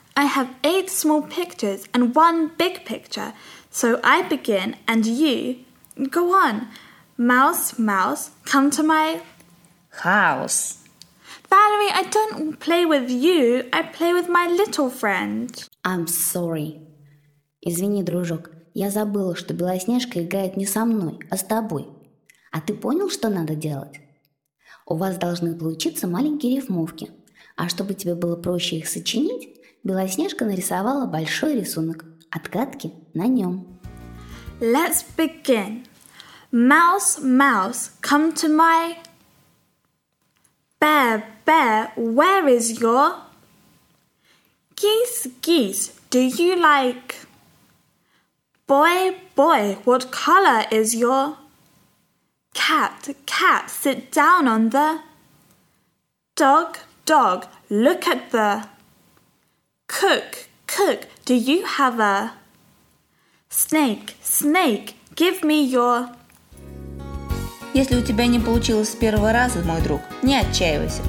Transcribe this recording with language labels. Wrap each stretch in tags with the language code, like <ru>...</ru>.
<en>I have 8 small pictures and 1 big picture. So I begin and you... Go on. Mouse, mouse, come to my... House. Valerie, I don't play with you. I play with my little friend. I'm sorry.</en> <ru>Извини, дружок. Я забыла, что Белоснежка играет не со мной, а с тобой. А ты понял, что надо делать? У вас должны получиться маленькие рифмовки. А чтобы тебе было проще их сочинить, Белоснежка нарисовала большой рисунок. Отгадки на нем.</ru> <en>Let's begin. Mouse, mouse, come to my... Bear, bear, where is your... Geese, geese, do you like... Boy, boy, what color is your... Cat, cat, sit down on the... Dog, dog, look at the... Cook, cook, do you have a... Snake, snake, give me your...</en> <ru>Если у тебя не получилось с первого раза, мой друг, не отчаивайся.</ru>